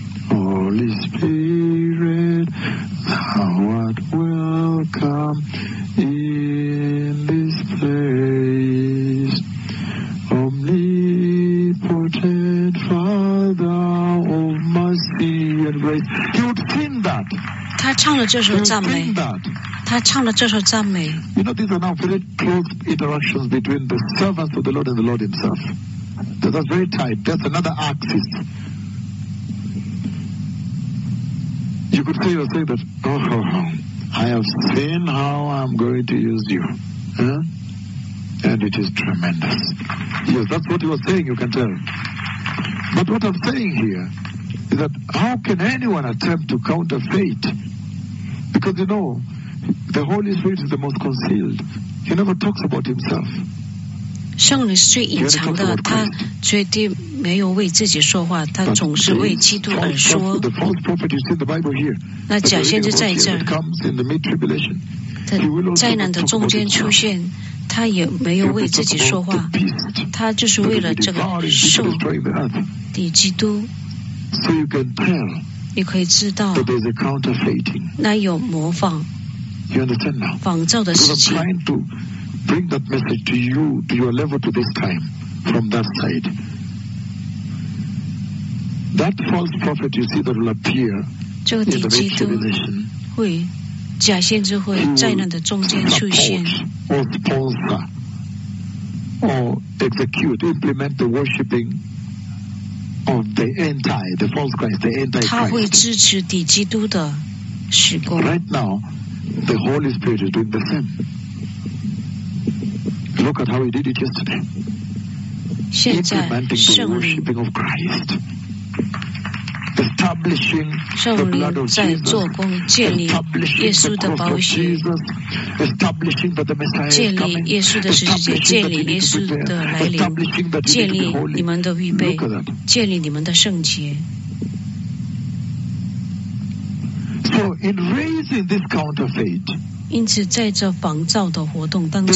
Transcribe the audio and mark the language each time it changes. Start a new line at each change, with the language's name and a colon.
English: Holy Spirit, thou art welcome in this place. Omnipotent Father of mercy and grace. He would sing that.
Chinese: 他唱了这首赞美，他唱了这首赞美。
English: You know, these are now very close interactions between the servants of the Lord and the Lord Himself. That's very tight. That's another axis. You could say yourself that, oh, I have seen how I'm going to use you, and it is tremendous. Yes, that's what he was saying. You can tell. But what I'm saying here is that how can anyone attempt to counter fate? Because you know, the Holy Spirit is the most concealed. He never talks about himself.
Chinese: 圣灵是最隐藏的，他绝对没有为自己说话，他总是为基督而说。
English: The false prophet you see in the Bible here.
Chinese: 那假先知在这儿。
English: Comes in the mid-tribulation.
Chinese: 在灾难的中间出现，他也没有为自己说话，他就是为了这个兽，敌基督。
English: So you can tell.
Chinese: 你可以知道那有模仿仿造的事情。
English: I'm trying to bring that message to you to your level to this time from that side. That false prophet you see that will appear in the tribulation,
Chinese: 会假先知会灾难的中间出现
English: or sponsor or execute implement the worshipping of the anti, the false Christ, the anti Christ.
Chinese: 他会支持敌基督的事工。
English: Right now, the Holy Spirit is doing the same. Look at how he did it yesterday.
Chinese: 现在圣灵
English: implementing the worshiping of Christ, establishing the blood of Jesus, establishing
Chinese: 耶稣的宝血
English: establishing that the Messiah is coming,
Chinese: 建立耶稣的十字架，建立耶稣的来临，建立你们的预备，建立你们的圣洁。
English: So in raising this counterfeit,
Chinese: 因此在这仿造的活动当中，